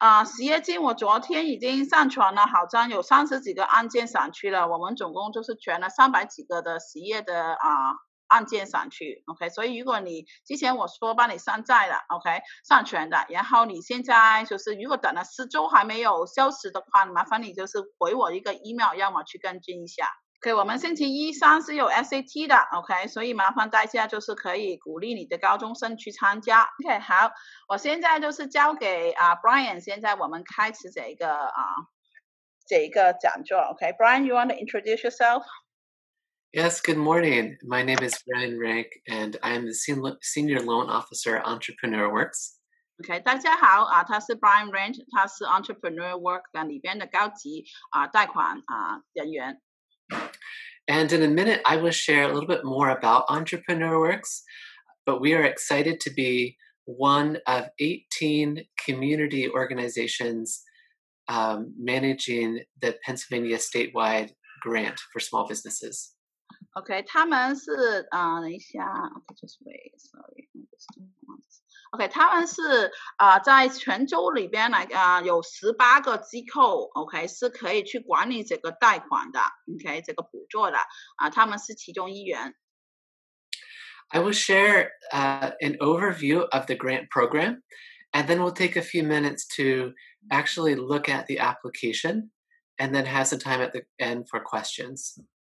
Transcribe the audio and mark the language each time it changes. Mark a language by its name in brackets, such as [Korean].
[Chinese] 失业金我昨天已经上传了，好像有30几个案件上去了，我们总共就是全了300几个的失业的案件上去 ,OK, 所以如果你之前我说帮你上债了 ,OK, 上传的，然后你现在就是如果等了10周还没有消息的话，麻烦你就是回我一个 email, 让我去跟进一下。 OK, 我们星期一三是有 SAT 的 ,OK, 所以麻烦大家就是可以鼓励你的高中生去参加。 OK, 好，我现在就是交给Brian, 现在我们开始这个讲座。 [English] OK, Brian, you want to introduce yourself? Yes, good morning. My name is Brian Rank, and I'm the Senior Loan Officer at Entrepreneur Works. [Chinese] OK, 大家好，他是 Brian Rank, 他是 Entrepreneur Works 里边的高级贷款人员。 [English] And in a minute, I will share a little bit more about Entrepreneur Works, but we are excited to be one of 18 community organizations managing the Pennsylvania statewide grant for small businesses. [Chinese] Okay, 他们是, 等一下, okay, [English] just wait, sorry. [Chinese] Okay, 他们是, 在泉州里边, like, 有18个机构, okay, 是可以去管理这个贷款的, okay, 这个补助的, 他们是其中一员。 [English] I will share an overview of the grant program, and then we'll take a few minutes to actually look at the application, and then have some time at the end for questions.